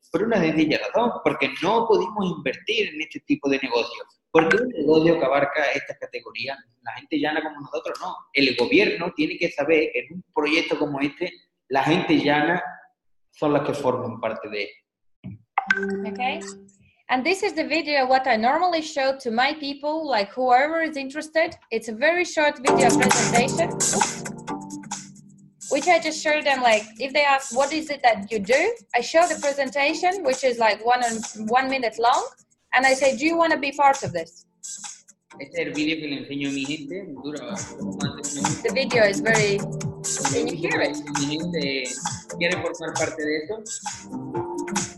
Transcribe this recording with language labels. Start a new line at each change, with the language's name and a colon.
Spanish: Por una sencilla razón, porque no pudimos invertir en este tipo de negocios. Porque un negocio que abarca esta categoría, la gente llana como nosotros, no. El gobierno tiene que saber que en un proyecto como este, la gente llana son las que forman parte de él.
English: Okay. And this is the video what I normally show to my people, like whoever is interested. It's a very short video presentation, which I just showed them, like, if they ask, what is it that you do? I show the presentation, which is like 1 minute long, and I say, do you want to be part of this?
Spanish: Este es el video que le enseño a mi gente, dura
English: the video is very, can you hear it?
Spanish: Mi gente quiere formar parte de esto.